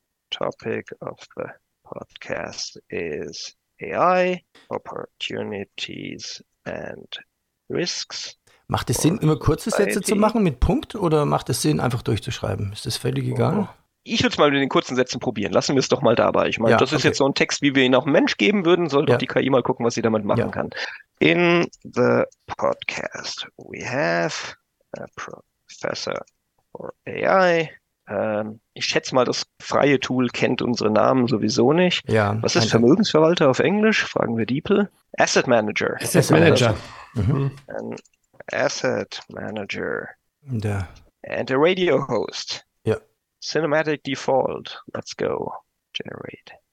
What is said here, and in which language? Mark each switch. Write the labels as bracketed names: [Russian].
[English] Topic of the podcast is AI, opportunities and risks. [German] Macht es Sinn, immer kurze Sätze zu machen mit Punkt oder macht es Sinn, einfach durchzuschreiben? Ist das völlig egal? Ich würde es mal mit den kurzen Sätzen probieren. Lassen wir es doch mal dabei. Ich meine, das ist jetzt so ein Text, wie wir ihn auch einem Mensch geben würden. Soll doch die KI mal gucken, was sie damit machen kann. [English] In the podcast we have a professor for AI. [German] Ich schätze mal, das freie Tool kennt unsere Namen sowieso nicht. Ja, was ist Vermögensverwalter auf Englisch? Fragen wir DeepL. Asset Manager. [English] Asset Manager. Asset Manager. [German] Da. [English] And a radio host. [German] Ja. [English] Cinematic Default. Let's go. Generate.